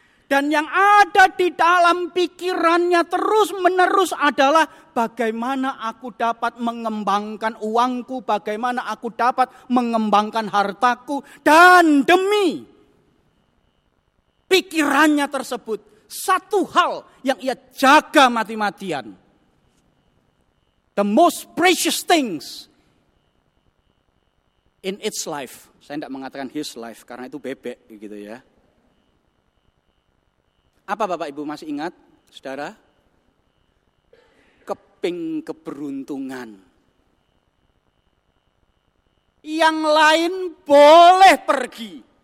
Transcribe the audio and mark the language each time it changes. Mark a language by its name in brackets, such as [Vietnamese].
[Indonesian] Dan yang ada di dalam pikirannya terus menerus adalah bagaimana aku dapat mengembangkan uangku, bagaimana aku dapat mengembangkan hartaku. Dan demi pikirannya tersebut, satu hal yang ia jaga mati-matian. [English] The most precious things in its life. [Indonesian] Saya tidak mengatakan [English] his life [Indonesian] karena itu bebek gitu ya. Apa Bapak Ibu masih ingat, Saudara? Keping keberuntungan. Yang lain boleh pergi.